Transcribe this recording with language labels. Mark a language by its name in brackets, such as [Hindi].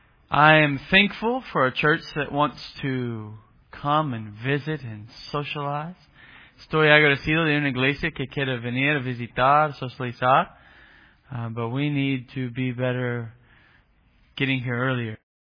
[English] I am thankful for a church that wants to come and visit and socialize. [Spanish] Estoy agradecido de una iglesia que quiere venir a visitar, socializar. [English] But we need to be better getting here earlier.